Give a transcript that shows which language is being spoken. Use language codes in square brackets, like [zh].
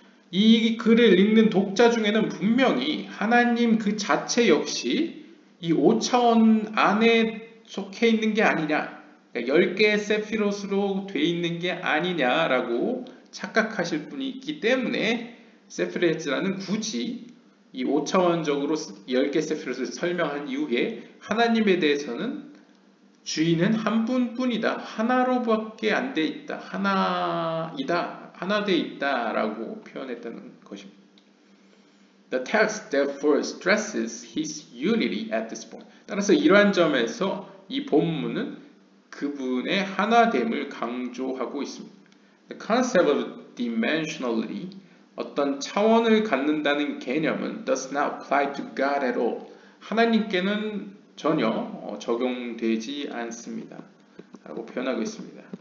[ko] 이 글을 읽는 독자 중에는 분명히 하나님 그 자체 역시 이 5차원 안에 속해 있는 게 아니냐, 10개의 세피로트로 돼 있는 게 아니냐라고 착각하실 분이 있기 때문에 세피르 예트라는 굳이 이 5차원적으로 10개 세피롯을 설명한 이후에 하나님에 대해서는 주인은 한 분뿐이다. 하나로밖에 안돼 있다. 하나이다. 하나 돼 있다라고 표현했다는 것입니다. [en] The text therefore stresses his unity at this point. [ko] 따라서 이러한 점에서 이 본문은 그분의 하나됨을 강조하고 있습니다. [en] The concept of dimensionality [ko] 어떤 차원을 갖는다는 개념은 [en] does not apply to God at all. [ko] 하나님께는 전혀 적용되지 않습니다. 라고 표현하고 있습니다.